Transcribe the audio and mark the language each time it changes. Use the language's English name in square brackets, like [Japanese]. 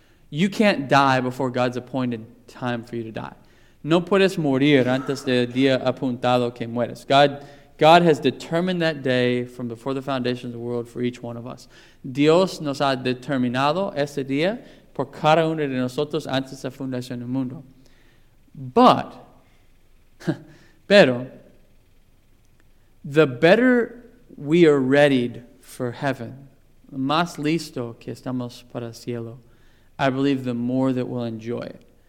[English] You can't die before God's appointed time for you to die. [Spanish] No puedes morir antes del día apuntado que mueres. [English] God has determined that day from before the foundation of the world for each one of us. [Spanish] Dios nos ha determinado ese día por cada uno de nosotros antes de la fundación del mundo. [English] Pero, the better we are readied for heaven, [Spanish] más listo que estamos para el cielo, [English] I believe the more that we'll enjoy it.